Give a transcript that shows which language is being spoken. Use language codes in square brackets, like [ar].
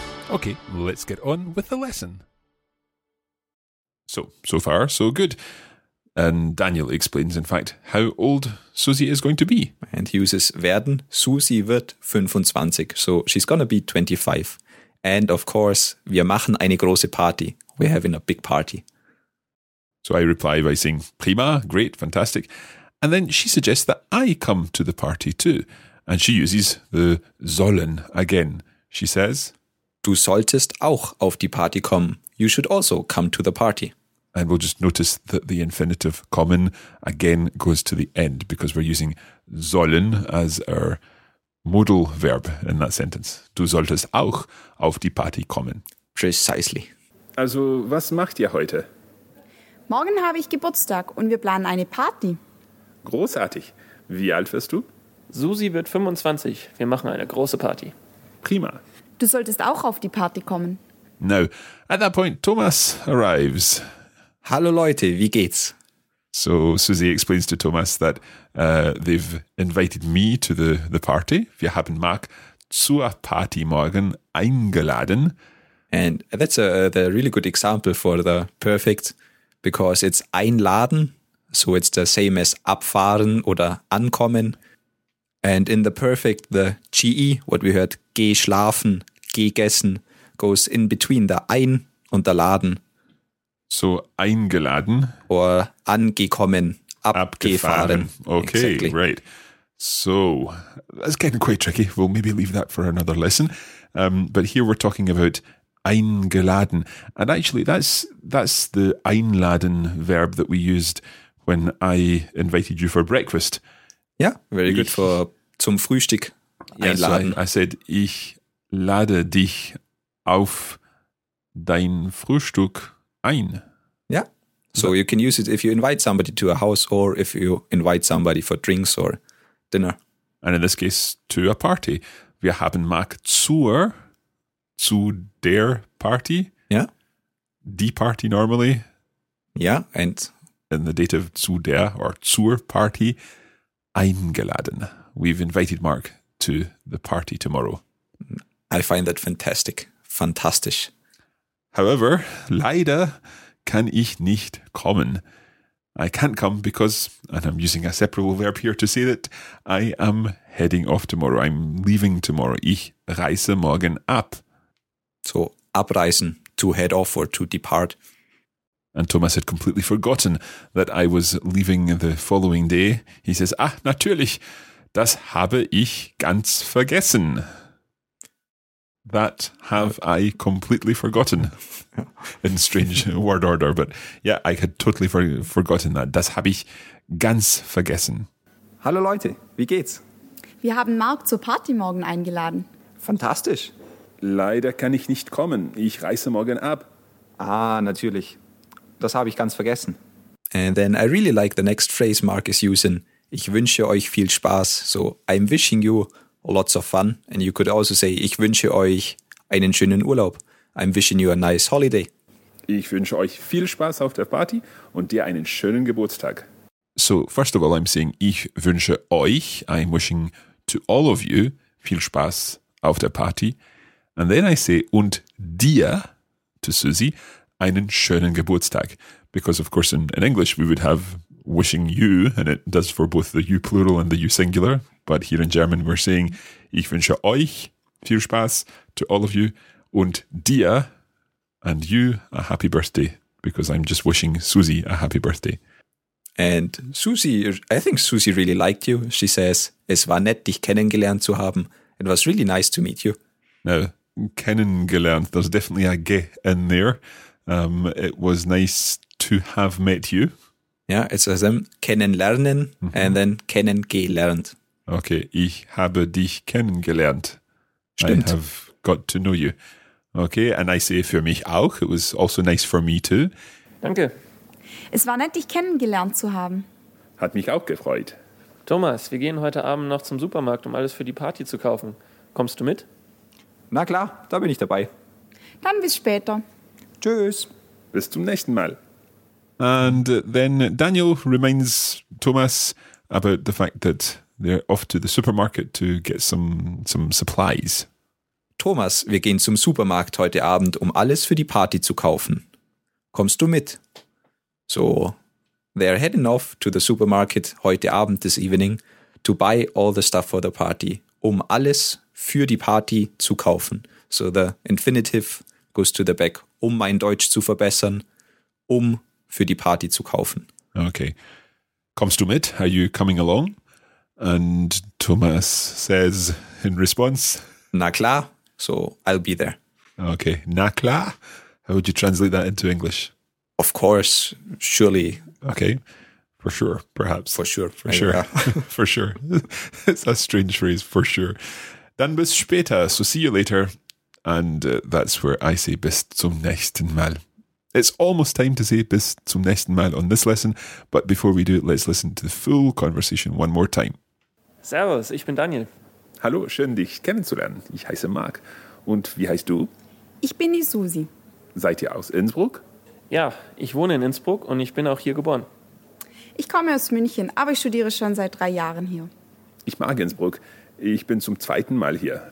[en] Okay, let's get on with the lesson. So far, so good. And Daniel explains, in fact, how old Susie is going to be. And he uses werden. [de] Susie wird 25. [en] So she's gonna be 25. And of course, [de] wir machen eine große Party. [en] We're having a big party. So I reply by saying, [de] prima, [en] great, fantastic. And then she suggests that I come to the party too. And she uses the sollen again. She says, [de] du solltest auch auf die Party kommen. [en] You should also come to the party. And we'll just notice that the infinitive kommen again goes to the end because we're using sollen as our modal verb in that sentence. [de] Du solltest auch auf die Party kommen. [en] Precisely. [de] Also, was macht ihr heute? Morgen habe ich Geburtstag und wir planen eine Party. Großartig. Wie alt wirst du? Susie wird 25. Wir machen eine große Party. Prima. Du solltest auch auf die Party kommen. [en] Now, at that point, Thomas arrives. [de] Hallo Leute, wie geht's? [en] So Susie explains to Thomas that they've invited me to the party. [de] Wir haben Marc zur Party morgen eingeladen. [en] And that's a really good example for the perfect, because it's einladen, so it's the same as abfahren oder ankommen. And in the perfect, the GE, what we heard, [de] geh schlafen, geh gessen, [en] goes in between the [de] ein und der laden. [en] So eingeladen. Or angekommen, abgefahren. Okay, exactly. Right. So that's getting quite tricky. We'll maybe leave that for another lesson. But here we're talking about eingeladen. And actually, that's the einladen verb that we used when I invited you for breakfast. Yeah, very good for [de] zum Frühstück einladen. I said, ich lade dich auf dein Frühstück ein. [en] Yeah, so you can use it if you invite somebody to a house or if you invite somebody for drinks or dinner. And in this case, to a party. [de] Wir haben Mark zu der Party. [en] Yeah. [de] Die Party [en] normally. Yeah, and in the dative [de] zu der or zur Party eingeladen. [en] We've invited Mark to the party tomorrow. I find that fantastic. Fantastisch. However, [de] leider kann ich nicht kommen. [en] I can't come because, and I'm using a separable verb here to say that, I am heading off tomorrow. I'm leaving tomorrow. [de] Ich reise morgen ab. [en] So, abreisen, to head off or to depart. And Thomas had completely forgotten that I was leaving the following day. He says, [de] ah, natürlich, das habe ich ganz vergessen. [en] That have I completely forgotten. In strange word order, but yeah, I had totally forgotten that. [de] Das habe ich ganz vergessen. Hallo Leute, wie geht's? Wir haben Mark zur Party morgen eingeladen. Fantastisch. Leider kann ich nicht kommen. Ich reise morgen ab. Ah, natürlich. Das habe ich ganz vergessen. [en] And then I really like the next phrase Mark is using. [de] Ich wünsche euch viel Spaß. [en] So, I'm wishing you lots of fun. And you could also say, [de] ich wünsche euch einen schönen Urlaub. [en] I'm wishing you a nice holiday. [de] Ich wünsche euch viel Spaß auf der Party und dir einen schönen Geburtstag. [en] So, first of all, I'm saying, [de] ich wünsche euch, [en] I'm wishing to all of you, [de] viel Spaß auf der Party. [en] And then I say, [de] und dir, [en] to Susie, [de] einen schönen Geburtstag. [en] Because, of course, in English, we would have wishing you, and it does for both the you plural and the you singular. But here in German, we're saying, [de] ich wünsche euch viel Spaß [en] to all of you. [de] Und dir, [en] and you, a happy birthday, because I'm just wishing Susie a happy birthday. And Susie, I think Susie really liked you. She says, [de] es war nett, dich kennengelernt zu haben. [en] It was really nice to meet you. Now, kennengelernt, there's definitely a ge in there. It was nice to have met you. Yeah, it's as in kennenlernen and then kennengelernt. [de] Okay, ich habe dich kennengelernt. Stimmt. [en] I have got to know you. Okay, and I say [de] für mich auch. [en] It was also nice for me too. [de] Danke. Es war nett, dich kennengelernt zu haben. Hat mich auch gefreut. Thomas, wir gehen heute Abend noch zum Supermarkt, um alles für die Party zu kaufen. Kommst du mit? Na klar, da bin ich dabei. Dann bis später. Tschüss. Bis zum nächsten Mal. [en] And then Daniel reminds Thomas about the fact that they're off to the supermarket to get some supplies. [de] Thomas, wir gehen zum Supermarkt heute Abend, um alles für die Party zu kaufen. Kommst du mit? [en] So, they're heading off to the supermarket [de] heute Abend, [en] this evening, to buy all the stuff for the party, [de] um alles für die Party zu kaufen. [en] So the infinitive goes to the back, [de] um mein Deutsch zu verbessern, um für die Party zu kaufen. [en] Okay. [de] Kommst du mit? [en] Are you coming along? And Thomas says in response, [de] na klar. [en] So, I'll be there. [de] Okay. Na klar? [en] How would you translate that into English? Of course. Surely. Okay. For sure, perhaps. For sure. For sure. For sure. It's a strange phrase, for sure. [de] Dann bis später. [en] So, see you later. And that's where I say [de] bis zum nächsten Mal. [en] It's almost time to say [de] bis zum nächsten Mal [en] on this lesson. But before we do, let's listen to the full conversation one more time. [de] Servus, ich bin Daniel. Hallo, schön, dich kennenzulernen. Ich heiße Marc. Und wie heißt du? Ich bin die Susi. Seid ihr aus Innsbruck? Ja, ich wohne in Innsbruck und ich bin auch hier geboren. Ich komme aus München, aber ich studiere schon seit 3 Jahren hier. Ich mag Innsbruck. Ich bin zum 2. Mal hier.